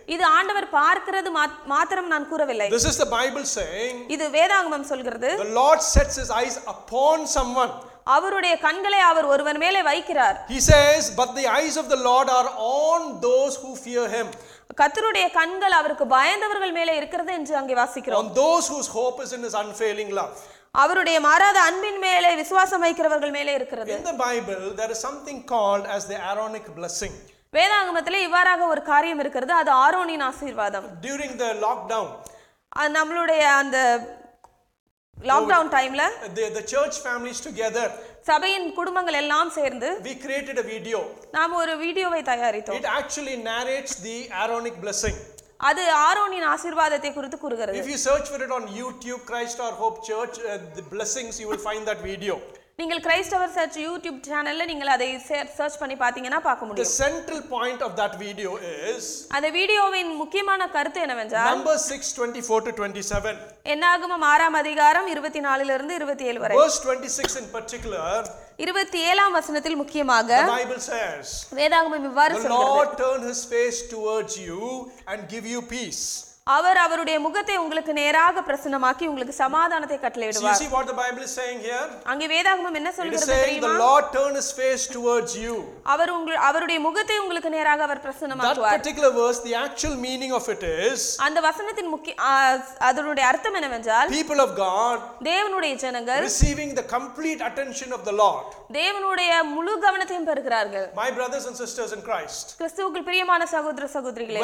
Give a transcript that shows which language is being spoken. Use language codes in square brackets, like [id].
[ta] இது ஆண்டவர் பார்க்கிறது மாத்திரம் நான் கூறவில்லை. [en] This is the Bible saying. [ta] இது வேதாகமம் சொல்கிறது. [en] The Lord sets his eyes upon someone. [ta] அவருடைய கண்களை அவர் ஒருவர் மேலே வைக்கிறார். [en] He says, but the eyes of the Lord are on those who fear him. [ta] கர்த்தருடைய கண்கள் அவருக்கு பயந்தவர்கள் மேலே இருக்கிறது என்று அங்கே வாசிக்கிறோம். [en] On those whose hope is in his unfailing love. [ta] அவருடைய மாறாத அன்பின் மேலே விசுவாசம் வைக்கிறவர்கள் மேலே இருக்கிறது. [en] In the Bible there is something called as the Aaronic blessing. [ta] வேதாகமத்திலே இவ்வாறாக ஒரு காரியம் இருக்கிறது, அது ஆரோனின் ஆசீர்வாதம். [en] During the lockdown. [ta] நம்மளுடைய அந்த lockdown timeல [en] the church families together [ta] சபையின் குடும்பங்கள் எல்லாம் சேர்ந்து [en] we created a video. [ta] நாம் ஒரு வீடியோவை தயாரித்தோம். [en] It actually narrates the Aaronic blessing. [ta] அது ஆரோனின் ஆசீர்வாதத்தை குறித்து கூறுகிறது. [en] If you search for it on YouTube Christ or Hope Church the blessings you will find that video. [ta] நீங்கள் கிறிஸ்டவர் சர்ச் யூடியூப் சேனல்ல நீங்கள் அதை சர்ச் பண்ணி பாத்தீங்கன்னா பார்க்க முடியும். [en] The central point of that video is [ta] அந்த வீடியோவின் முக்கியமான கருத்து என்னவென்றால் [en] Numbers 6:24-27. [ta] என்னாகுமம் 6 அதிகாரம் 24 ல இருந்து 27 வரை. [en] Verse 26 in particular [ta] 27 வசனத்தில் முக்கியமாக [en] The Bible says [ta] வேதாகமம் இவ்வாறு சொல்கிறது. [en] The Lord turn his face towards you and give you peace. [ta] அவர் அவருடைய முகத்தை உங்களுக்கு நேராக பிரசன்னமாக்கி உங்களுக்கு சமாதானத்தை கட்டளையிடுவார். [en] See what the Bible is saying here? [ta] அங்கே வேதாகமம் என்ன சொல்கிறது தெரியுமா? [en] The Lord turn his face towards you. [ta] அவர் அவருடைய முகத்தை உங்களுக்கு நேராக அவர் பிரசன்னமாக்குவார். [en] That particular verse the actual meaning of it is [ta] அந்த வசனத்தின் முக்கிய அதனுடைய அர்த்தம் என்னவென்றால் [en] People of God [ta] தேவனுடைய ஜனங்கள் [en] receiving the complete attention of the Lord. [ta] தேவனுடைய முழு கவனத்தையும் பெறுகிறார்கள். [en] My brothers and sisters in Christ. [ta] கிறிஸ்துவுக்கு பிரியமான சகோதர சகோதரிகளே.